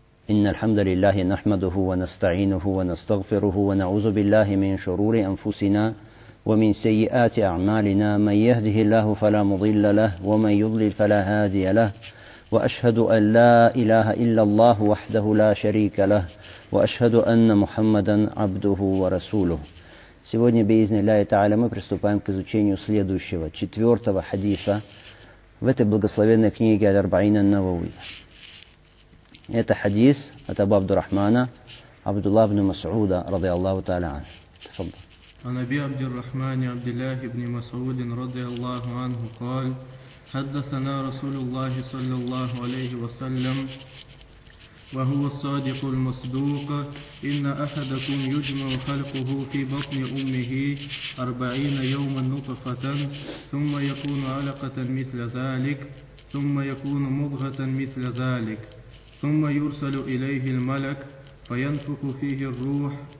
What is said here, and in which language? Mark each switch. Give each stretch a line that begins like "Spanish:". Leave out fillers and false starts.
Arabic: إن الحمد لله نحمده ونستعينه ونستغفره ونعوذ بالله من شرور أنفسنا ومن سيئات أعمالنا، من يهده الله فلا مضل له ومن يضلل فلا هادي له، وأشهد أن لا إله إلا الله وحده لا شريك له، وأشهد أن محمدا عبده ورسوله.
Russian: Сегодня
Arabic: بإذن الله تعالى
Russian: мы приступаем к изучению следующего, четвертого хадиса в этой благословенной книге Аль-Арбаин ан-Навави. Это хадис от Абу Абдурахмана Абдулла ибн Масуда
Arabic: رضي الله تعالى عنه. تفضل. عن أبي عبد الرحمن عبد الله بن مسعود رضي الله عنه قال حدثنا رسول الله صلى الله عليه وسلم وهو الصادق المصدوق إن أحدكم يجمع خلقه في بطن أمه 40 يوما نطفة ثم يكون علقة مثل ذلك ثم يكون مضغة مثل ذلك ثم يرسل إليه الملك فينفخ فيه الروح